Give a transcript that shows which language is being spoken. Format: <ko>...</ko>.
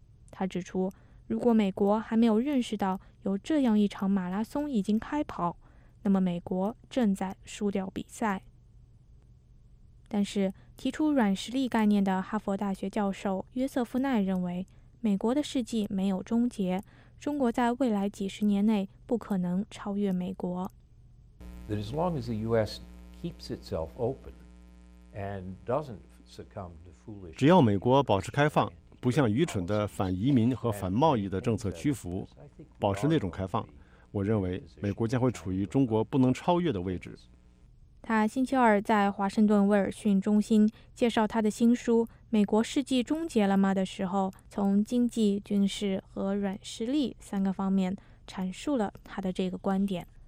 <zh>他指出，如果美国还没有认识到有这样一场马拉松已经开跑，那么美国正在输掉比赛。但是提出软实力概念的哈佛大学教授约瑟夫奈认为，美国的世纪没有终结，中国在未来几十年内不可能超越美国。</zh> <en>As long as the U.S. keeps itself open and doesn't succumb to foolish,</en> <zh>只要美国保持开放，不向愚蠢的反移民和反贸易的政策屈服，保持那种开放，我认为美国将会处于中国不能超越的位置。他星期二在华盛顿威尔逊中心介绍他的新书《美国世纪终结了吗》的时候，从经济、军事和软实力三个方面阐述了他的这个观点。</zh>